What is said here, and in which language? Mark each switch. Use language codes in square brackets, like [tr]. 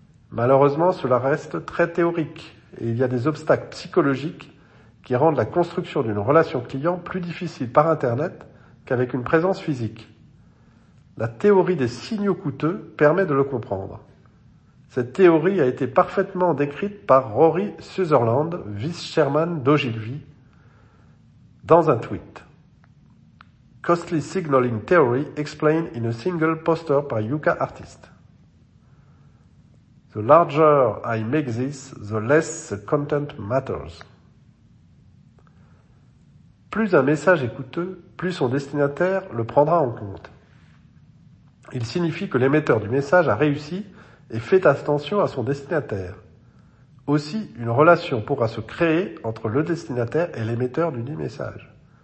[fr] Malheureusement, cela reste très théorique et il y a des obstacles psychologiques qui rendent la construction d'une relation client plus difficile par Internet qu'avec une présence physique. La théorie des signaux coûteux permet de le comprendre. Cette théorie a été parfaitement décrite par Rory Sutherland, vice-chairman d'Ogilvy, dans un tweet. [en] Costly signaling theory explained in a single poster by Yuka Artist. The larger I make this, the less the content matters. [fr] Plus un message est coûteux, plus son destinataire le prendra en compte. Il signifie que l'émetteur du message a réussi et fait attention à son destinataire. Aussi, une relation pourra se créer entre le destinataire et l'émetteur du dit message.